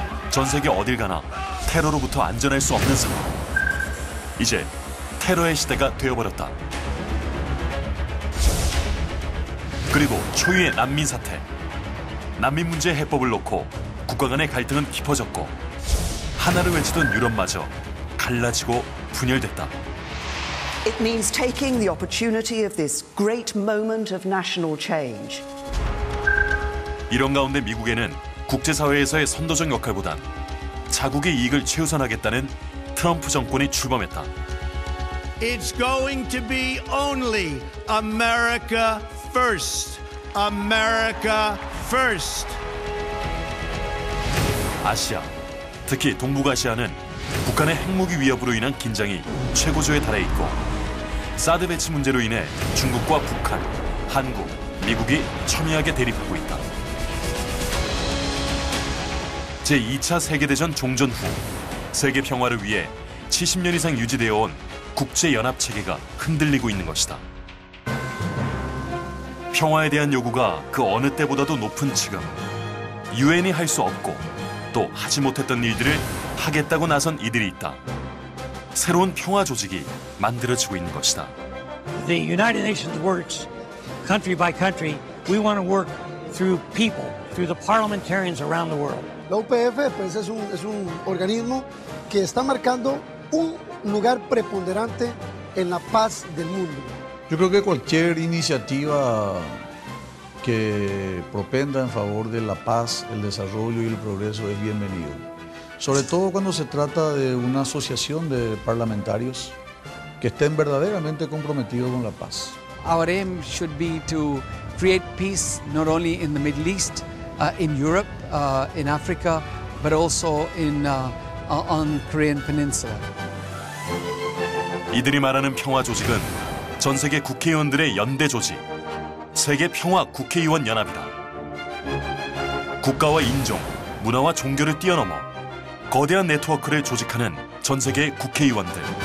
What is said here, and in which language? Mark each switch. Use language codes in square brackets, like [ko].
[ko] 전 세계 어딜 가나 테러로부터 안전할 수 없는 상황. 이제 테러의 시대가 되어버렸다. 그리고 초유의 난민 사태. 난민 문제 해법을 놓고 국가 간의 갈등은 깊어졌고 하나를 외치던 유럽마저 갈라지고 분열됐다. [en] It means taking the opportunity of this great moment of national change. [ko] 이런 가운데 미국에는 국제사회에서의 선도적 역할보단 자국의 이익을 최우선하겠다는 트럼프 정권이 출범했다. [en] It's going to be only America first. America first. [ko] 아시아, 특히 동북아시아는 북한의 핵무기 위협으로 인한 긴장이 최고조에 달해 있고 사드 배치 문제로 인해 중국과 북한, 한국, 미국이 첨예하게 대립하고 있다. 제2차 세계대전 종전 후 세계 평화를 위해 70년 이상 유지되어 온 국제연합체계가 흔들리고 있는 것이다. 평화에 대한 요구가 그 어느 때보다도 높은 지금 UN이 할 수 없고 또 하지 못했던 일들을 하겠다고 나선 이들이 있다. 새로운 평화 조직이 만들어지고 있는 것이다. [en] The United Nations works country by country. We want to work through people, through the parliamentarians around the world. [es] La UPF pues es un organismo que está marcando un lugar preponderante en la paz del mundo. Yo creo que cualquier iniciativa que propenda en favor de la paz, el desarrollo y el progreso es bienvenido. Sobre todo cuando se trata de una asociación de parlamentarios que estén verdaderamente comprometidos con la paz. [en] Our aim should be to create peace not only in the Middle East, in Europe, in Africa, but also in on Korean Peninsula. [ko] 이들이 말하는 평화 조직은 전 세계 국회의원들의 연대 조직, 세계 평화 국회의원 연합이다. 국가와 인종, 문화와 종교를 뛰어넘어 거대한 네트워크를 조직하는 전 세계 국회의원들.